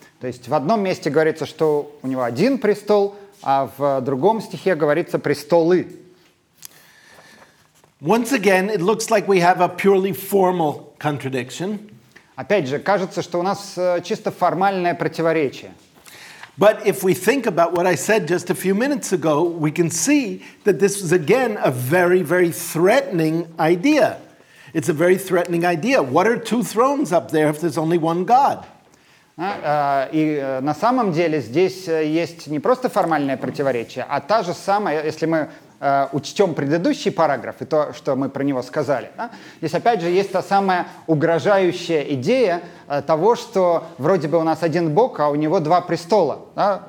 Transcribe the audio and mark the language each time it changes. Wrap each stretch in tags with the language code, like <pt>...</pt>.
<ru>То есть в одном месте говорится, что у него один престол, а в другом стихе говорится «престолы».</ru> <en>Once again, it looks like we have a purely formal contradiction.</en> <ru>Опять же, кажется, что у нас чисто формальное противоречие.</ru> <en>But if we think about what I said just a few minutes ago, we can see that this is again a very, very threatening idea. It's a very threatening idea. What are two thrones up there if there's only one God?</en> <ru>И на самом деле здесь есть не просто формальное противоречие, а та же самая, если мы учтем предыдущий параграф и то, что мы про него сказали, да? Здесь опять же есть та самая угрожающая идея того, что вроде бы у нас один Бог, а у него два престола. Да?</ru>